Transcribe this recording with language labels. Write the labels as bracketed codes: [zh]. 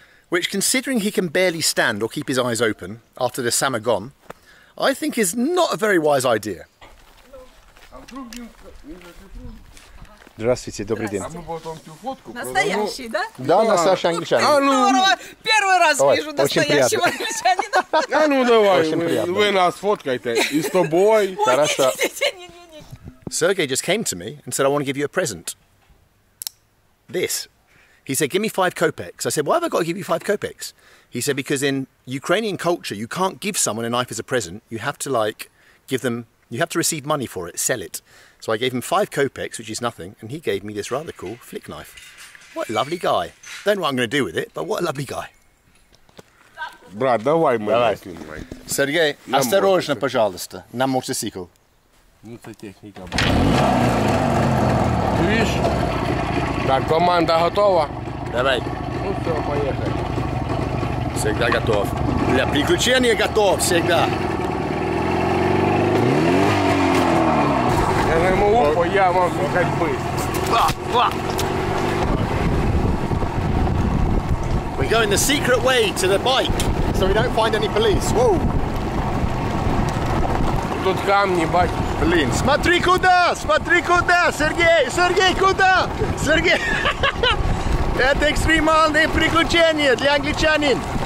[en] which, considering he can barely stand or keep his eyes open after the samagon, I think is not a very wise idea. [ru] Здравствуйте, добрый день. А мы потом всю фотку настоящий, да? Да, настоящий англичанин. А ну, первый раз вижу настоящего англичанина. А ну давай, вы нас фоткайте и с тобой. Хорошо. [en] Sergey just came to me and said, I want to give you a present. This. He said, give me 5 kopecks. I said, why have I got to give you 5 kopecks? He said, because in Ukrainian culture, you can't give someone a knife as a present. You have to you have to receive money for it, sell it. So I gave him 5 kopecks, which is nothing. And he gave me this rather cool flick knife. What a lovely guy. Don't know what I'm going to do with it, but what a lovely guy. [ru] Брат, давай мы. Давай. Сергей, осторожно, пожалуйста, на мотоцикл. [uk] Ну, це техніка. Ти видиш? [ru] Так, команда готова? Давай. Ну, все, поехали. Всегда готов. Для приключения готов, всегда. Я займу ухо, я могу ходьбы. Ба, ба. [en] We're going the secret way to the bike, so we don't find any police. Whoa. [ru] Тут камни, [uk] бачу. [ru] Блин, смотри куда, Сергей, куда? Сергей, это экстремальное приключение для англичанин.